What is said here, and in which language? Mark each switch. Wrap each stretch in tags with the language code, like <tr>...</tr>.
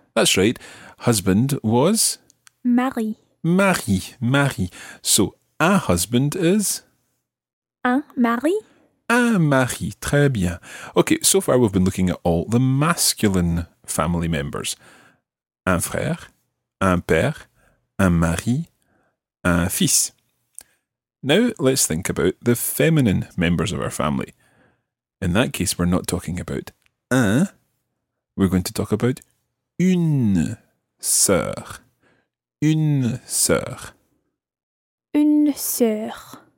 <en>That's right. Husband was?</en> <fr>Marie. Marie. Marie.</fr> <en>So, un husband is?</en> <fr>Un mari. Un mari, très bien.</fr> <en>Okay, so far we've been looking at all the masculine family members.</en> <fr>Un frère, un père, un mari, un fils.</fr> <en>Now let's think about the feminine members of our family. In that case, we're not talking about un. We're going to talk about</en> <fr>une sœur. Une sœur. Une sœur.</fr>